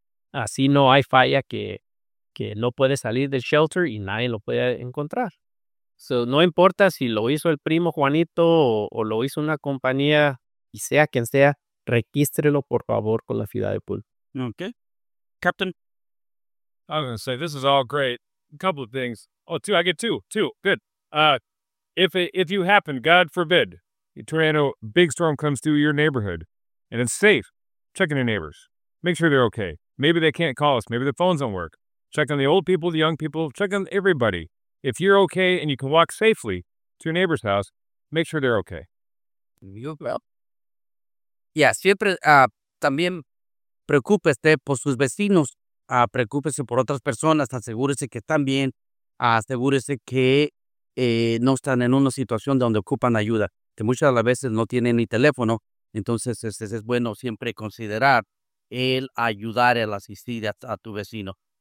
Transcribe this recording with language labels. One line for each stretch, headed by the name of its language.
Spanish: Así no hay falla que no puede salir del shelter y nadie lo puede encontrar. So, no importa si lo hizo el primo Juanito o lo hizo una compañía, y sea quien sea, regístrelo, por favor, con la ciudad de Pool.
English: Okay. Captain? I was going to say, this is all great. A couple of things. Oh, two. I get two. Two. Good. If you happen, God forbid, a tornado, big storm comes through your neighborhood, and it's safe, check in your neighbors. Make sure they're okay. Maybe they can't call us. Maybe the phones don't work. Check on the old people, the young people. Check on everybody. If you're okay and you can walk safely to your neighbor's house, make sure they're okay. You well.
Spanish: Yeah, siempre también preocúpese por sus vecinos, preocúpese por otras personas, asegúrese que están bien, asegúrese que no están en una situación donde ocupan ayuda, que muchas de las veces no tienen ni teléfono, entonces es bueno siempre considerar el ayudar, el asistir a tu vecino.